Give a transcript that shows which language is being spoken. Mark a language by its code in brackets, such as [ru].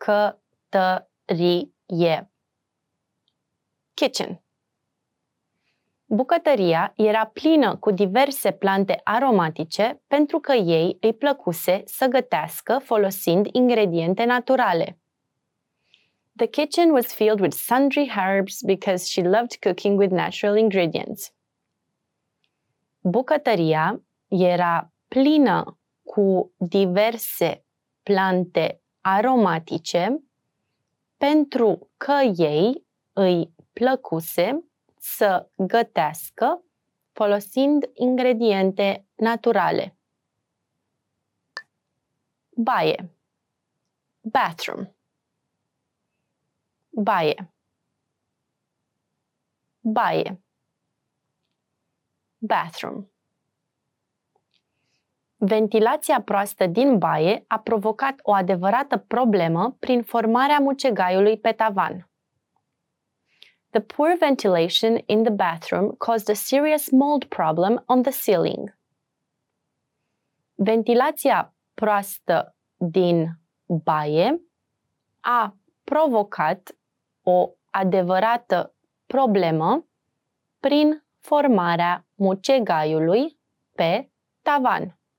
[ro] Bucătărie. [en] Kitchen. [ro] Bucătăria era plină cu diverse plante aromatice pentru că ei îi plăcuse să gătească folosind ingrediente naturale. [en] The kitchen was filled with sundry herbs because she loved cooking with natural ingredients. [ro] Bucătăria era plină cu diverse plante aromatice pentru că ei îi plăcuse să gătească folosind ingrediente naturale. Baie. [en] Bathroom. [ro] Baie. Baie. [en] Bathroom. [ro] Ventilația proastă din baie a provocat o adevărată problemă prin formarea mucegaiului pe tavan. [en] The poor ventilation in the bathroom caused a serious mold problem on the ceiling. [ro] Ventilația proastă din baie a provocat o adevărată problemă prin formarea mucegaiului pe tavan.